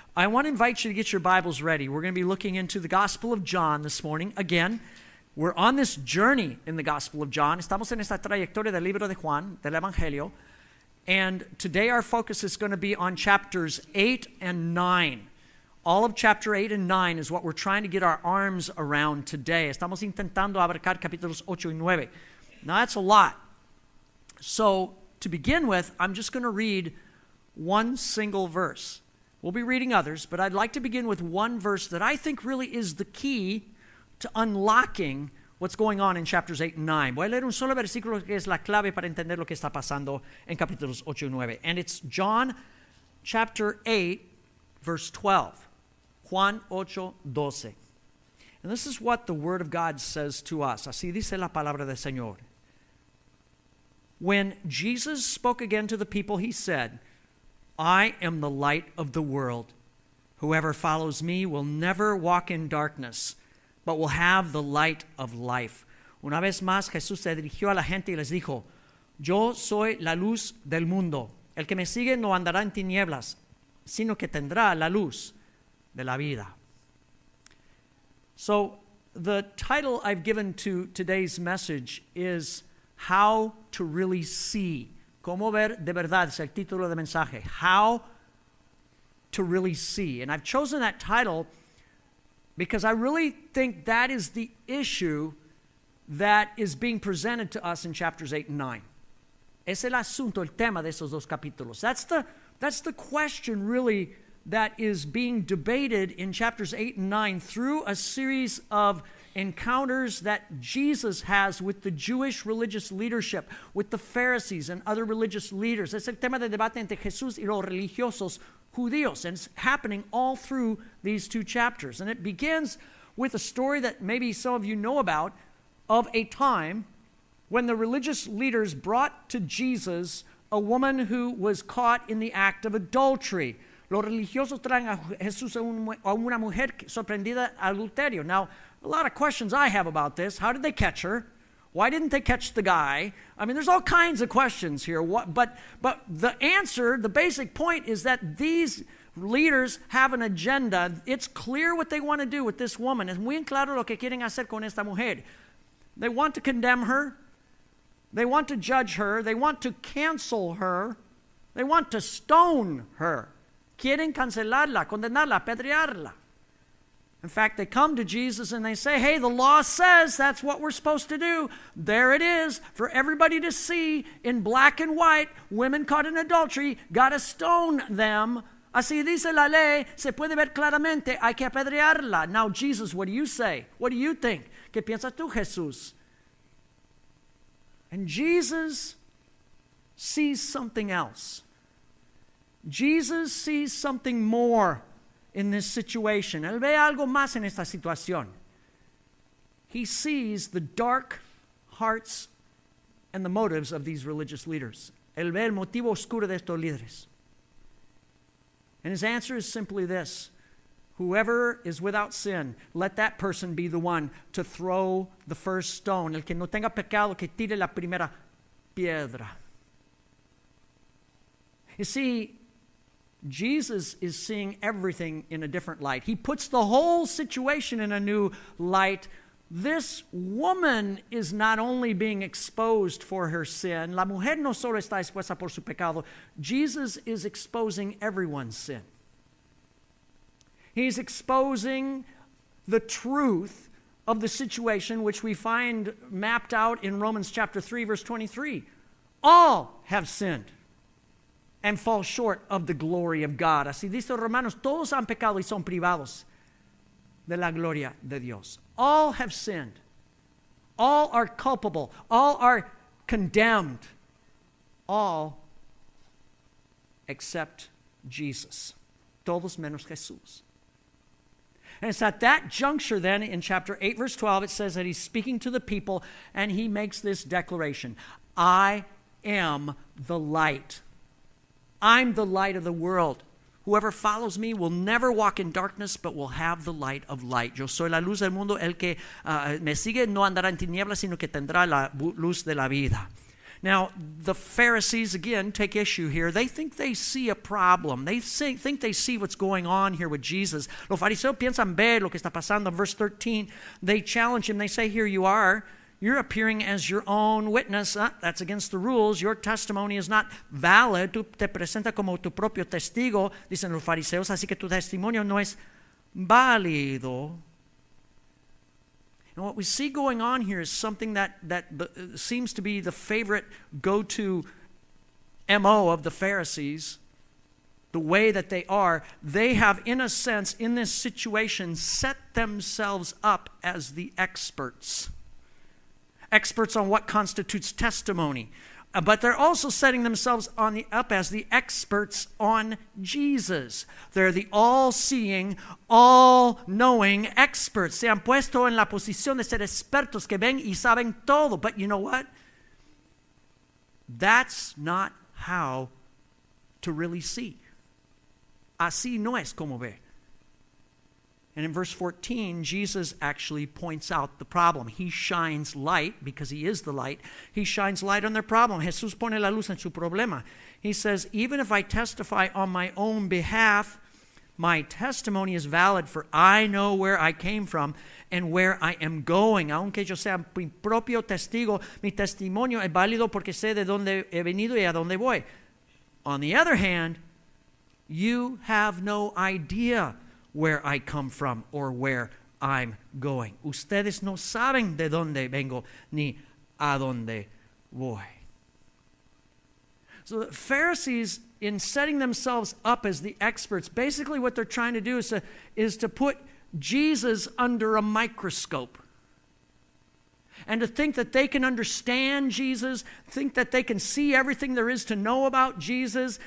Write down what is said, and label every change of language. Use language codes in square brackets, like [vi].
[en] I want to invite you to get your Bibles ready. We're going to be looking into the Gospel of John this morning. Again, we're on this journey in the Gospel of John. [es] Estamos en esta trayectoria del libro de Juan, del Evangelio. [en] And today our focus is going to be on chapters 8 and 9. All of chapter 8 and 9 is what we're trying to get our arms around today. [es] Estamos intentando abarcar capítulos 8 y 9. [en] Now, that's a lot. So, to begin with, I'm just going to read one single verse. We'll be reading others, but I'd like to begin with one verse that I think really is the key to unlocking what's going on in chapters 8 and 9. [es] Voy a leer un solo versículo que es la clave para entender lo que está pasando en capítulos 8 y 9. [en] And it's John chapter 8, verse 12. [es] Juan 8, 12. [en] And this is what the Word of God says to us. [es] Así dice la palabra del Señor. [en] When Jesus spoke again to the people, he said, I am the light of the world. Whoever follows me will never walk in darkness, but will have the light of life. [es] Una vez más, Jesús se dirigió a la gente y les dijo, Yo soy la luz del mundo. El que me sigue no andará en tinieblas, sino que tendrá la luz de la vida. [en] So, the title I've given to today's message is How to Really See. [es] ¿Cómo ver de verdad? Es el título del mensaje. [en] How to Really See. And I've chosen that title because I really think that is the issue that is being presented to us in chapters 8 and 9. [es] Es el asunto, el tema de esos dos capítulos. [en] That's the question, really, that is being debated in chapters 8 and 9 through a series of encounters that Jesus has with the Jewish religious leadership, with the Pharisees and other religious leaders. [es] Es el tema de debate entre Jesús y los religiosos judíos, [en] and it's happening all through these two chapters. And it begins with a story that maybe some of you know about, of a time when the religious leaders brought to Jesus a woman who was caught in the act of adultery. [es] Los religiosos traen a Jesús a una mujer sorprendida adulterio. [en] Now, a lot of questions I have about this. How did they catch her? Why didn't they catch the guy? I mean, there's all kinds of questions here. But the answer, the basic point, is that these leaders have an agenda. It's clear what they want to do with this woman. [es] Es muy claro lo que quieren hacer con esta mujer. [en] They want to condemn her. They want to judge her. They want to cancel her. They want to stone her. [es] Quieren cancelarla, condenarla, apedrearla. [en] In fact, they come to Jesus and they say, Hey, the law says that's what we're supposed to do. There it is for everybody to see in black and white. Women caught in adultery, got to stone them. [es] Así dice la ley, se puede ver claramente, hay que apedrearla. [en] Now, Jesus, what do you say? What do you think? [es] ¿Qué piensas tú, Jesús? [en] And Jesus sees something else. Jesus sees something more in this situation. [es] Él ve algo más en esta situación. [en] He sees the dark hearts and the motives of these religious leaders. [es] Él ve el motivo oscuro de estos líderes. [en] And his answer is simply this. Whoever is without sin, let that person be the one to throw the first stone. [es] El que no tenga pecado, que tire la primera piedra. [en] You see, Jesus is seeing everything in a different light. He puts the whole situation in a new light. This woman is not only being exposed for her sin. [es] La mujer no solo está expuesta por su pecado. [en] Jesus is exposing everyone's sin. He's exposing the truth of the situation, which we find mapped out in Romans chapter 3, verse 23. All have sinned and fall short of the glory of God. [es] Así dice Romanos, todos han pecado y son privados de la gloria de Dios. [en] All have sinned. All are culpable. All are condemned. All except Jesus. [es] Todos menos Jesús. [en] And it's at that juncture then, in chapter 8, verse 12, it says that he's speaking to the people, and he makes this declaration, I am the light. I'm the light of the world. Whoever follows me will never walk in darkness, but will have the light of light. [es] Yo soy la luz del mundo. El que me sigue no andará en tinieblas, sino que tendrá la luz de la vida. [en] Now, the Pharisees, again, take issue here. They think they see a problem. They think they see what's going on here with Jesus. [es] Los fariseos piensan ver lo que está pasando. [en] Verse 13, they challenge him. They say, here you are. You're appearing as your own witness. That's against the rules. Your testimony is not valid. [es] Tú te presentas como tu propio testigo, dicen los fariseos. Así que tu testimonio no es válido. [en] And what we see going on here is something that seems to be the favorite go-to MO of the Pharisees, the way that they are. They have, in a sense, in this situation, set themselves up as the experts. Experts on what constitutes testimony. But they're also setting themselves up as the experts on Jesus. They're the all-seeing, all-knowing experts. [es] Se han puesto en la posición de ser expertos que ven y saben todo. [en] But you know what? That's not how to really see. [es] Así no es como ve. [en] And in verse 14, Jesus actually points out the problem. He shines light, because he is the light. He shines light on their problem. [es] Jesús pone la luz en su problema. [en] He says, even if I testify on my own behalf, my testimony is valid, for I know where I came from and where I am going. [es] Aunque yo sea mi propio testigo, mi testimonio es válido porque sé de dónde he venido y a dónde voy. [en] On the other hand, you have no idea where I come from or where I'm going. [es] Ustedes no saben de dónde vengo ni a dónde voy. [en] So the Pharisees, in setting themselves up as the experts, basically what they're trying to do is to put Jesus under a microscope. And to think that they can understand Jesus, think that they can see everything there is to know about Jesus.